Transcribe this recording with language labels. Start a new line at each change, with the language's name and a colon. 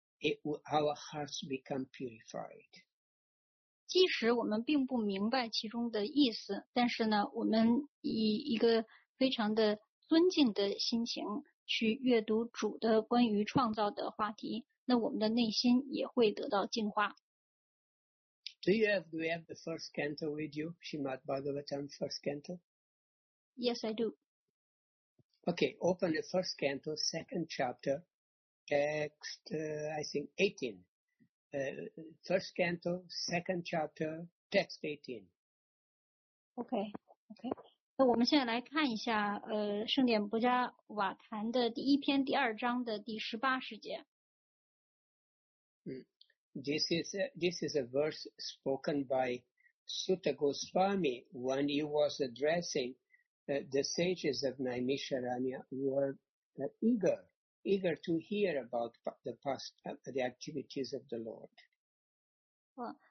English: Our hearts become purified.
Chinese: 即使我们并不明白其中的意思，但是呢，我们以一个非常的尊敬的心情去阅读主的关于创造的话题，那我们的内心也会得到净化。
English: Do we have the first canto with you, Srimad Bhagavatam, first canto? Yes, I do. Okay, open the first canto, second chapter, text, I think, 18. First canto, second chapter, text 18. Okay.
Chinese: 那我们现在来看一下圣典波迦瓦坛的第一篇第二章的第十八十节。
English: This is a verse spoken by Sutta Goswami when he was addressingthe sages of Naimisharanya were eager to hear about the past the activities of the Lord.